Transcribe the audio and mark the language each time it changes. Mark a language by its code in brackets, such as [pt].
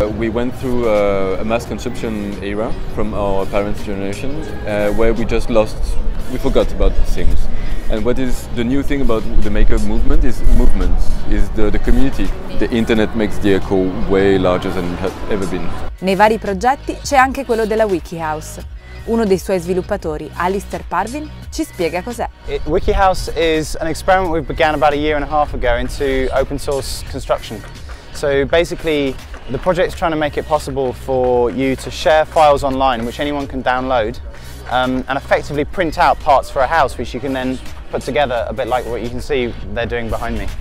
[en] We went through a mass consumption era from our parents' generation, where we just lost, we forgot about things. And what is the new thing about the maker movement is movement, is the community. The internet makes the echo way larger than it has ever been. [it] Nei vari progetti c'è anche quello della WikiHouse. Uno dei suoi sviluppatori, Alistair Parvin, ci spiega cos'è. [en] WikiHouse is an experiment we began about a year and a half ago into open source construction. So basically, the project is trying to make it possible for you to share files online, which anyone can download, and effectively print out parts for a house, which you can then put together a bit like what you can see they're doing behind me.